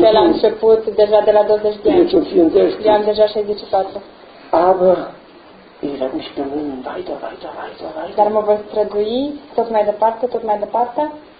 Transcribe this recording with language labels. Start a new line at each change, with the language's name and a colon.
Romanian: că la început, deja de la 20 de ani. Eu am deja 64.
German: Aber ich werde mich bemühen, weiter.
Romanian: Dar mă voi strădui, tot mai departe.